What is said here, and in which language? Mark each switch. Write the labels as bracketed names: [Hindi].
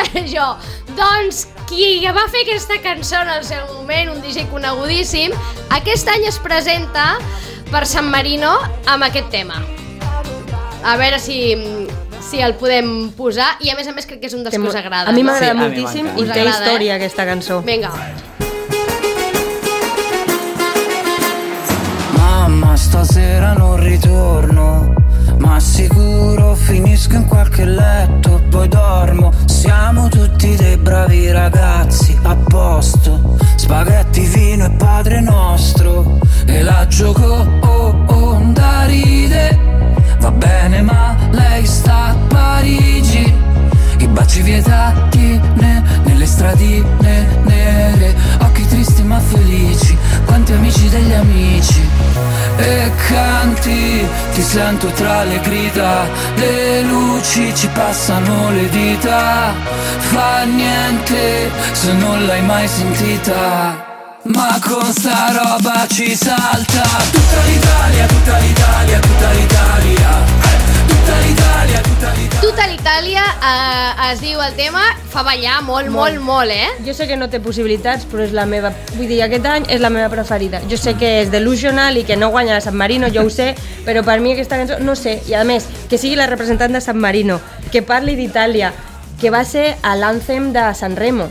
[Catalan] Jo, doncs, qui va fer aquesta cançó en el seu moment, un DJ conegudíssim, aquest any es presenta per San Marino amb aquest tema. A veure si el podem posar, i a més crec que és un dels que us agrada. A mi m'agrada moltíssim i té història aquesta cançó. Vinga. [Italian] Mamma, stasera non ritorno, ma sicuro finisco in qualche letto, poi dormo. Siamo tutti dei bravi ragazzi, a posto. Spaghetti, vino e padre nostro. E la gioco, oh, oh, da ride. Va bene, ma lei sta a Parigi. I baci vietati, nelle stradine nere. Occhi tristi ma felici, quanti amici degli amici. E canti, ti sento tra le grida. Le luci ci passano le dita. Fa niente se non l'hai mai sentita. Ma con sta roba ci salta tutta l'Italia, tutta l'Italia, tutta l'Italia. [Catalan] Tutta l'Itàlia, es diu el tema, fa ballar molt, eh? Jo sé que no té possibilitats, però és la meva, vull dir, aquest any és la meva preferida. Jo sé que és delusional i que no guanya San Marino, jo ho sé, però per mi aquesta cançó, no sé, i a més, que sigui la representant de San Marino, que parli d'Itàlia, que va ser l'anthem de San Remo.